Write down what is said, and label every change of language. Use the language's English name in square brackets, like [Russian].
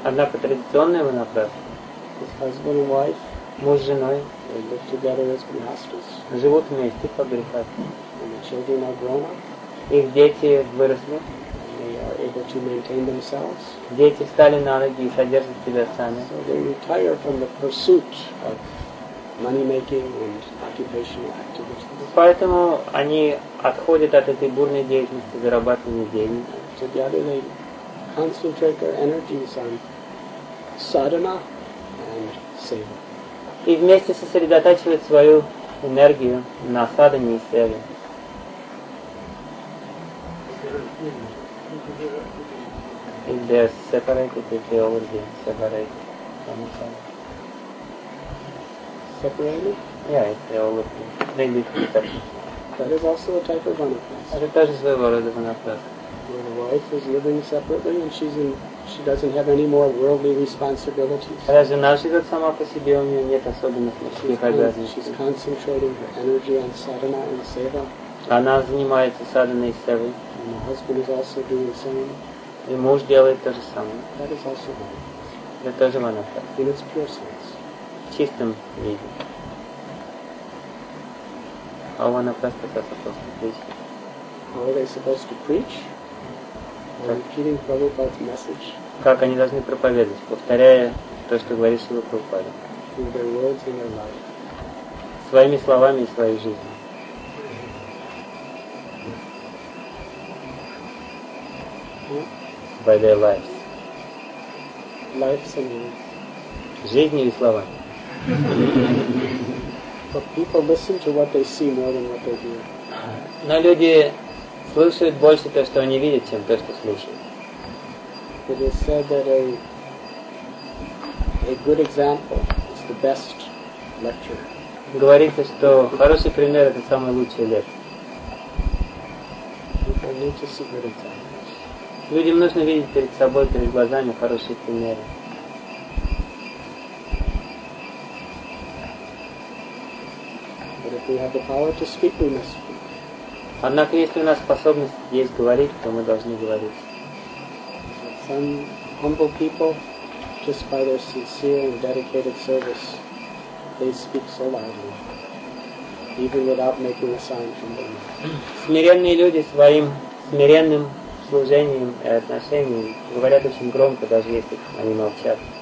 [Russian] Одна по традиционной ванапрасте. [English] Husband and wife. [Russian] Муж с женой. [English] They live together as grihasthas. [Russian] Живут вместе по грихасте. [English] And the children are grown up. [Russian] Их дети выросли. [English] They are able to maintain themselves. [Russian] Дети встали на ноги и содержат себя сами. [English] So they retire from the pursuit of money-making and occupational activities. [Russian] Поэтому они отходят от этой бурной деятельности зарабатывания денег. [English] Together they concentrate their energies on sadhana and seva. [Russian] И вместе сосредотачивают свою энергию на садхане и севе. [English] If they are separated, if they already separate from each other. Separated? Yeah, if they already maybe separated. That is also a type of vanaprastha. [Russian] Это тоже своего рода ванапраста. [English] Where the wife is living separately and she doesn't have any more worldly responsibilities. [Russian] Когда жена живет сама по себе, у нее нет особенных мужских обязанностей. [English] She's concentrating her energy on sadhana and seva. [Russian] Она занимается садханой и севой. [English] And the husband is also doing the same. [Russian] И муж делает то же самое. [English] That is also one. [Russian] Это тоже ванапраста. [English] In its pure sense. [Russian] В чистом виде. А ванапраста как [English] supposed to preach? How are they supposed to preach? Repeating Prabhupada's message. [Russian] Как они должны проповедовать, повторяя то, что говорит Шрила Прабхупада. [English] Through their words and their life. [Russian] Своими словами и своей жизнью. [English] By their lives. Lives and words. [Russian] Жизнь или слова. [English] But people listen to what they see more than what they hear. [Russian] Но люди слышат больше то, что они видят, чем то, что слышат. [English] It is said that a good example is the best lecture. [Russian] Говорится, что хороший пример это самый лучший лектор. [English] People need to see good examples. [Russian] Людям нужно видеть перед собой, перед глазами хорошие примеры. [English] But if we have the power to speak, we must speak. [Russian] Однако, если у нас способность есть говорить, то мы должны говорить. [English] Some humble people, just by their sincere and dedicated service, they speak so loudly, even without making a sign from them. [Russian] Смиренные люди своим смиренным служением и отношением говорят очень громко, даже если они молчат.